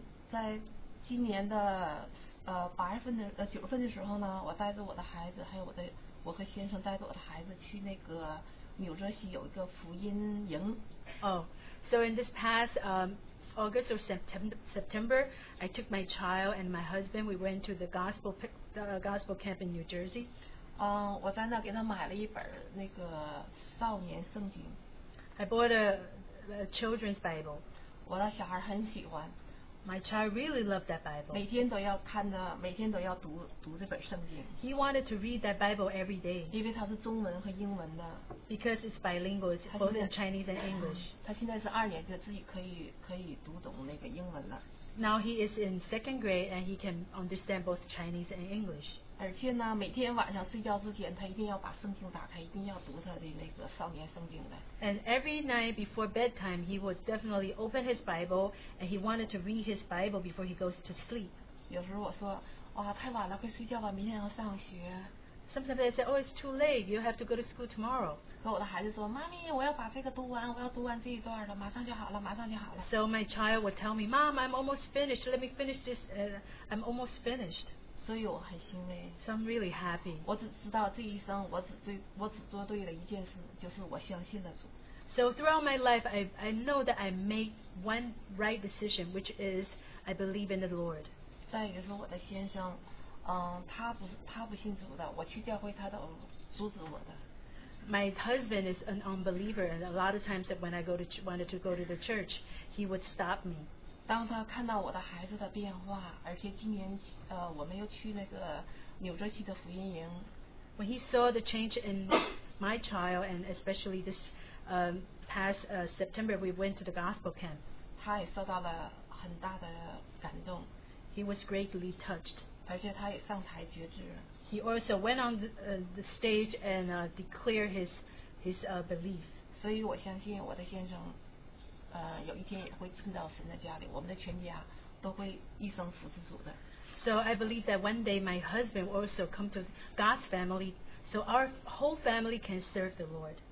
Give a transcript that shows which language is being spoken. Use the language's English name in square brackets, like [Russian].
[Chinese] 在今年的9月份的时候呢，我带着我的孩子，还有我和先生带着我的孩子去那个纽泽西有一个福音营。 [English] Oh, so in this past August or September, I took my child and my husband. We went to the gospel camp in New Jersey. [Chinese] 我在那给他买了一本那个少年圣经。 [English] I bought a children's Bible. [Chinese] 我的小孩很喜欢。 [English] My child really loved that Bible. [Chinese] 每天都要看的，每天都要读这本圣经。 [English] He wanted to read that Bible every day. [Chinese] 因为它是中文和英文的。 [English] Because it's bilingual, it's both in Chinese and English. [Chinese] 他现在是二年级，自己可以读懂那个英文了。 [English] Now he is in second grade and he can understand both Chinese and English. [Chinese] 而且呢，每天晚上睡觉之前，他一定要把圣经打开，一定要读他的那个少年圣经的。 [English] And every night before bedtime, he would definitely open his Bible and he wanted to read his Bible before he goes to sleep. [Chinese] 有时候我说，哇，太晚了，快睡觉吧，明天要上学。 [English] Sometimes I say, oh, it's too late. You have to go to school tomorrow. [Chinese] 可我的孩子说，妈咪，我要把这个读完，我要读完这一段了，马上就好了，马上就好了。 [English] So my child would tell me, Mom, I'm almost finished. Let me finish this. I'm almost finished. [Chinese] 所以我很欣慰。 [English] So I'm really happy. [Chinese] 我只知道这一生，我只做对了一件事，就是我相信了主。 [English] So throughout my life, I know that I make one right decision, which is I believe in the Lord. [Chinese] 再一个是我的先生。他不信主的，我去教会他都阻止我的。 [English] My husband is an unbeliever, and a lot of times that when I wanted to go to the church, he would stop me. [Chinese] 当他看到我的孩子的变化，而且今年我们又去那个纽泽西的福音营。 [English] When he saw the change in my child, and especially this September, we went to the gospel camp. [Chinese] 他也受到了很大的感动。 [English] He was greatly touched. [Chinese] 而且他也上台决志了。 [English] He also went on the stage and declared his belief. [Chinese] 所以我相信我的先生，有一天也会进到神的家里，我们的全家都会一生服侍主的。 [English] So I believe that one day my husband will also come to God's family, so our whole family can serve the Lord.